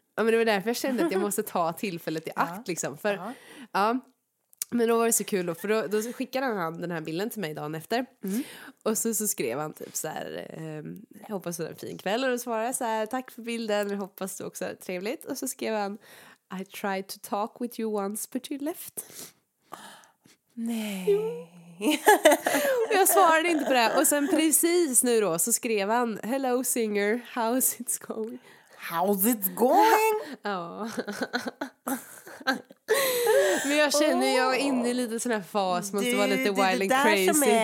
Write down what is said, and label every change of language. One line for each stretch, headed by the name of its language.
Swedish: Ja, men det var därför jag kände att jag måste ta tillfället i akt, liksom. För, ja. Men då var det så kul då, för då skickade han den här bilden till mig dagen efter. Mm. Och så skrev han typ så här, jag hoppas du har en fin kväll. Och då svarade jag så här, tack för bilden, jag hoppas du också är trevligt. Och så skrev han,
English: I tried to talk with you once, but you left.
Swedish: Nej. Och jag svarade inte på det. Och sen precis nu då så skrev han,
English: hello singer, how's it going? How's it going?
Swedish: Ja. Men jag känner jag är inne i lite sån här fas. Måste vara lite
English: wild and crazy.